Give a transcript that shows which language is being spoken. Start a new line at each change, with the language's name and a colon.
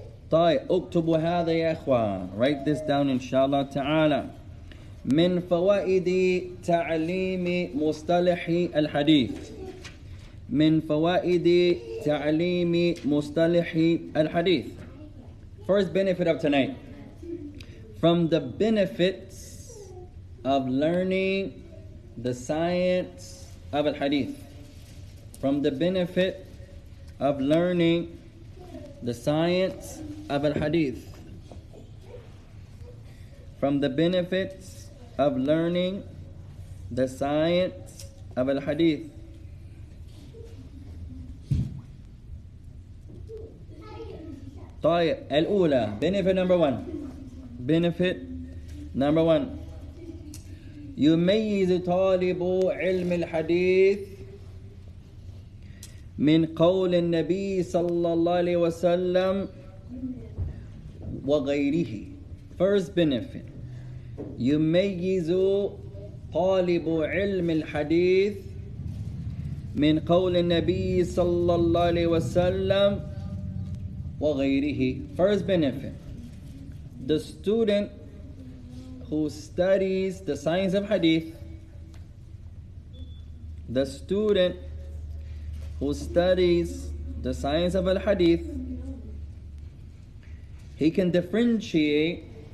Arabic: طيب اكتبوا هذا يا إخوان,
English: write this down
Arabic: إن شاء الله تعالى. من فوائد تعليم مصطلح الحديث, من فوائد تعليم مصطلح الحديث.
English: First benefit of tonight, from the benefits of learning the science of al-hadith, from the benefit of learning the science of al-hadith, from the benefits of learning the science of al-hadith,
Arabic: طيب الأولى,
English: benefit number one.
Arabic: يميز طالب علم الحديث من قول النبي صلى الله عليه وسلم وغيره.
English: First benefit,
Arabic: يميز طالب علم الحديث من قول النبي صلى الله عليه وسلم وغيره.
English: First benefit, the student who studies the science of hadith, the student who studies the science of al-hadith, he can differentiate